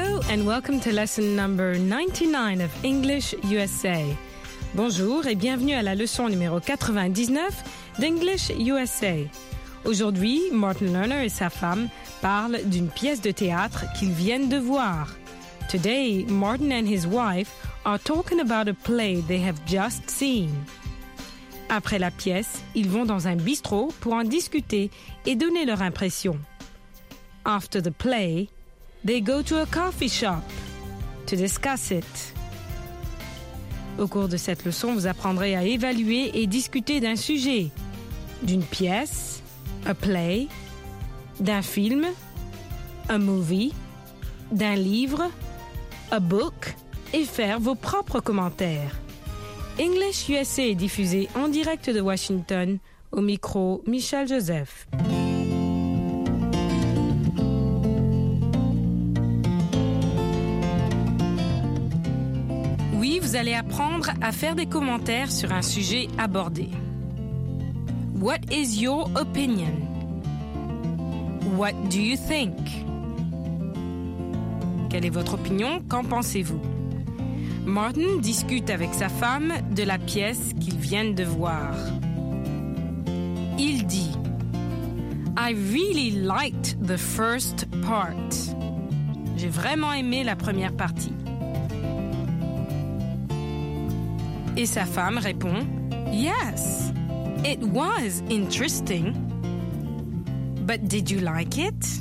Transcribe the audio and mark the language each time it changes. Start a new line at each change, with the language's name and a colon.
English: And welcome to lesson number 99 of English USA.
French: Bonjour et bienvenue à la leçon numéro 99 d'English USA. Aujourd'hui, Martin Lerner et sa femme parlent d'une pièce de théâtre qu'ils viennent de voir.
English: Today, Martin and his wife are talking about a play they have just seen.
French: Après la pièce, ils vont dans un bistrot pour en discuter et donner leur impression.
English: After the play, they go to a coffee shop to discuss it.
French: Au cours de cette leçon, vous apprendrez à évaluer et discuter d'un sujet, d'une pièce, a play, d'un film, a movie, d'un livre, a book, et faire vos propres commentaires. English USA est diffusé en direct de Washington, au micro Michel Joseph. Vous allez apprendre à faire des commentaires sur un sujet abordé.
English: What is your opinion? What do you think?
French: Quelle est votre opinion? Qu'en pensez-vous? Martin discute avec sa femme de la pièce qu'ils viennent de voir. Il dit:
English: I really liked the first part.
French: J'ai vraiment aimé la première partie. Et sa femme répond,
English: yes, it was interesting, but did you like it?